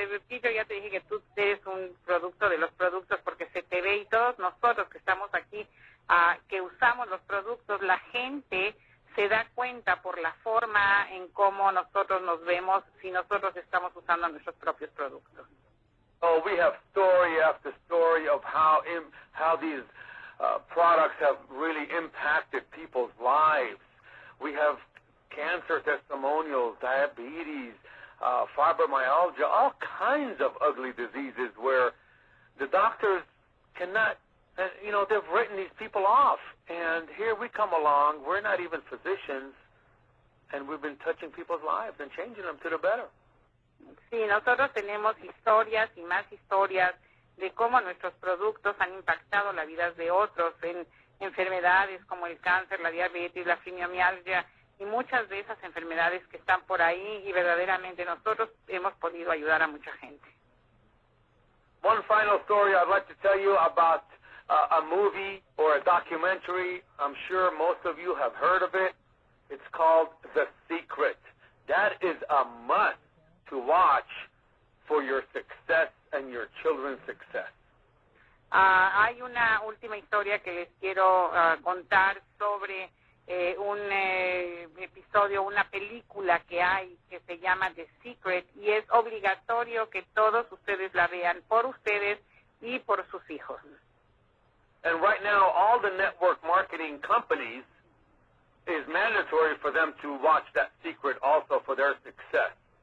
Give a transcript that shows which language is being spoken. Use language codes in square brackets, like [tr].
[es] Peter, ya te dije que tú eres un producto de los productos porque se te ve y todos nosotros que estamos aquí que usamos los productos, la gente se da cuenta por la forma en cómo nosotros nos vemos si nosotros estamos usando nuestros propios productos. [en] Oh, we have story after story of how these products have really impacted people's lives. We have cancer testimonials, diabetes, fibromyalgia, all kinds of ugly diseases where the doctors cannot, you know, they've written these people off. And here we come along, we're not even physicians, and we've been touching people's lives and changing them to the better. [es] Sí, nosotros tenemos historias y más historias de cómo nuestros productos han impactado la vida de otros. En, enfermedades como el cáncer, la diabetes, la fibromialgia y muchas de esas enfermedades que están por ahí, y verdaderamente nosotros hemos podido ayudar a mucha gente. [en] One final story I'd like to tell you about a movie or a documentary. I'm sure most of you have heard of it. It's called The Secret. That is a must to watch for your success and your children's success. [es] Hay una última historia que les quiero contar sobre un episodio, una película que hay que se llama The Secret, y es obligatorio que todos ustedes la vean por ustedes y por sus hijos. [en] And right now, all the network marketing companies, is mandatory for them to watch that Secret also for their success.